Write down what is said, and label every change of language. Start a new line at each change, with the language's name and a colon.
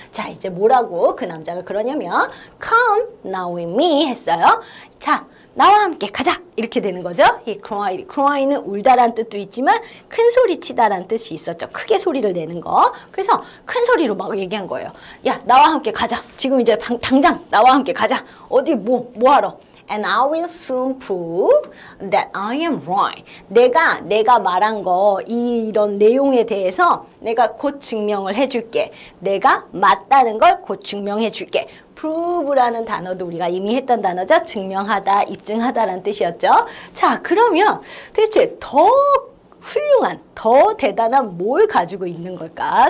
Korean: 자, 이제 뭐라고 그 남자가 그러냐면
English: come now with me
Korean: 했어요. 자, 나와 함께 가자 이렇게 되는 거죠.
English: He cried.
Korean: cry는 울다란 뜻도 있지만 큰 소리 치다란 뜻이 있었죠. 크게 소리를 내는 거. 그래서 큰 소리로 막 얘기한 거예요. 야, 나와 함께 가자. 지금 이제 당장 나와 함께 가자. 어디 뭐 하러?
English: And I will soon prove that I am right.
Korean: 내가 말한 거 이런 내용에 대해서 내가 곧 증명을 해줄게. 내가 맞다는 걸 곧 증명해줄게. prove라는 단어도 우리가 이미 했던 단어죠. 증명하다, 입증하다라는 뜻이었죠. 자, 그러면 대체 더 훌륭한, 더 대단한 뭘 가지고 있는 걸까?